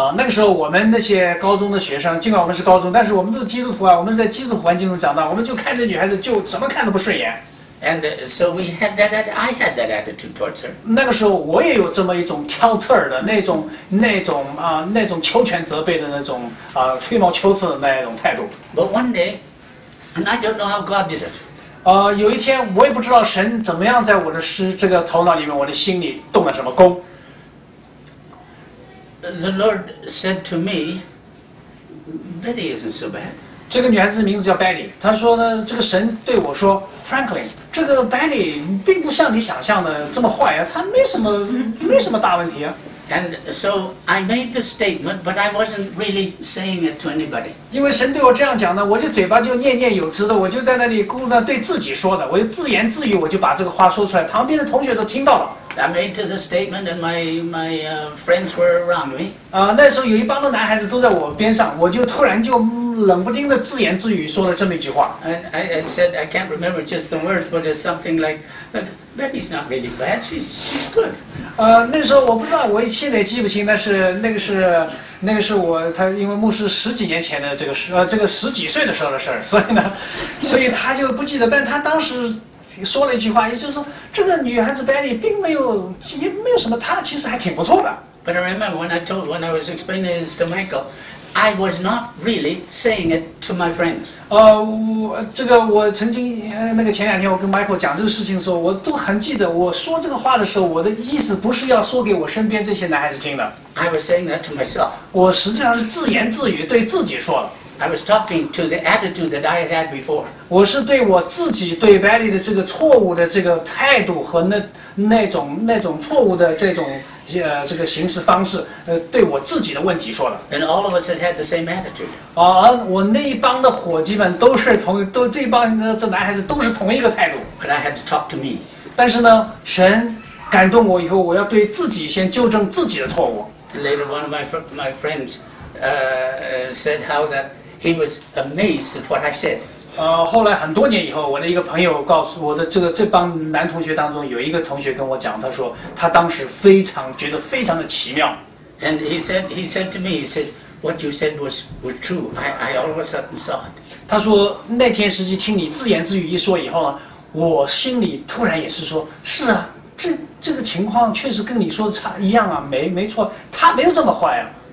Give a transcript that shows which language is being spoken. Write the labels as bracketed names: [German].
[Chinese] 那个时候我们那些高中的学生，尽管我们是高中，但是我们都是基督徒啊，我们是在基督徒环境中长大，我们就看着女孩子就怎么看都不顺眼。 [English] And so we had that. I had that attitude towards her. [Chinese] 那个时候我也有这么一种挑刺儿的那种求全责备的那种吹毛求疵的那种态度。 [English] But one day, and I don't know how God did it. [Chinese] 有一天我也不知道神怎么样在我的这个头脑里面，我的心里动了什么功。 [English] The Lord said to me, "Betty isn't so bad." [Chinese] 这个女孩子名字叫 Betty， 她说呢，这个神对我说 ，Franklin， 这个 Betty 并不像你想象的这么坏啊，她没什么大问题啊。 [English] And so I made the statement, but I wasn't really saying it to anybody. [Chinese] 因为神对我这样讲呢，我就嘴巴就念念有词的，我就在那里孤单对自己说的，我就自言自语，我就把这个话说出来，旁边的同学都听到了。 [English] I made the statement, and my friends were around me. [Chinese] 那时候有一帮的男孩子都在我边上，我就突然就冷不丁的自言自语说了这么一句话。 [English] I said I can't remember just the words, but it's something like, "Betty's not really bad. She's good." [Chinese] 那时候我不知道，我现在记不清，但是那个是我他因为牧师十几年前的这个事，这个十几岁的时候的事儿，所以他就不记得，但他当时。说了一句话，也就是说，这个女孩子 Betty 并没有，也没有什么，她其实还挺不错的。 [English] But I remember when I was explaining this to Michael, I was not really saying it to my friends. [Chinese] 这个我曾经那个前两天我跟 Michael 讲这个事情的时候，我都很记得，我说这个话的时候，我的意思不是要说给我身边这些男孩子听的。 [English] I was saying that to myself. [Chinese] 我实际上是自言自语对自己说的。 [English] I was talking to the attitude that I had before. [Chinese] 我是对我自己对 Betty 的这个错误的这个态度和那种错误的这种这个行事方式对我自己的问题说的。 [English] And all of us had the same attitude. [Chinese] 我那一帮的伙计们都是同都这帮这男孩子都是同一个态度。 [English] But I had to talk to me. [Chinese] 但是呢，神感动我以后，我要对自己先纠正自己的错误。 [English] And later, one of my friends. Said how that he was amazed at what I said. [Chinese] 后来很多年以后，我的一个朋友告诉我的这帮男同学当中有一个同学跟我讲，他说他当时非常觉得非常的奇妙。 [English] And he said to me, he says, "What you said was true. I all of a sudden saw it." [Chinese] 他说那天实际听你自言自语一说以后呢，我心里突然也是说，是啊，这个情况确实跟你说的差一样啊，没错，他没有这么坏啊。